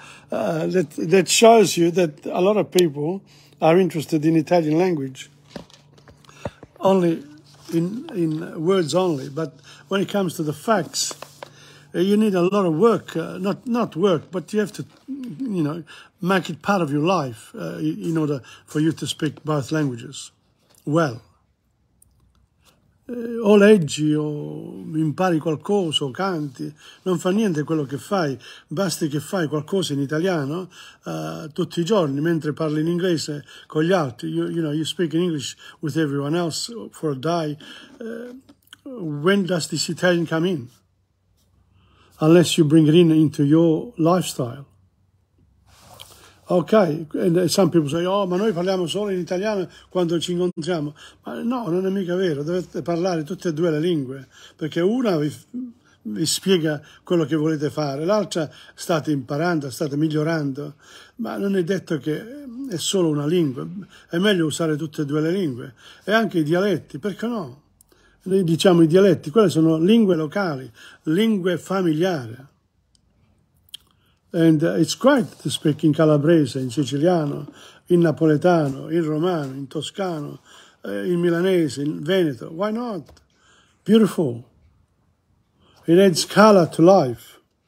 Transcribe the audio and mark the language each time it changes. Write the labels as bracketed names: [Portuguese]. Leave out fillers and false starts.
[English] that shows you that a lot of people are interested in Italian language only in words only. But when it comes to the facts, you need a lot of work. Not work, but you have to, you know, make it part of your life in order for you to speak both languages well. [Italian] O leggi o impari qualcosa o canti, non fa niente quello che fai, basta che fai qualcosa in italiano tutti I giorni mentre parli in inglese con gli altri. [English] You know, you speak in English with everyone else for a day. When does this Italian come in? Unless you bring it in into your lifestyle. Okay, and some people say, oh, [Italian] ma noi parliamo solo in italiano quando ci incontriamo. Ma no, non è mica vero, dovete parlare tutte e due le lingue, perché una vi spiega quello che volete fare, l'altra state imparando, state migliorando, ma non è detto che è solo una lingua, è meglio usare tutte e due le lingue, e anche I dialetti, perché no? Noi diciamo I dialetti, quelle sono lingue locali, lingue familiari. [English] And it's great to speak in Calabrese, in Siciliano, in Napoletano, in Romano, in Toscano, in Milanese, in Veneto. Why not? Beautiful. It adds color to life.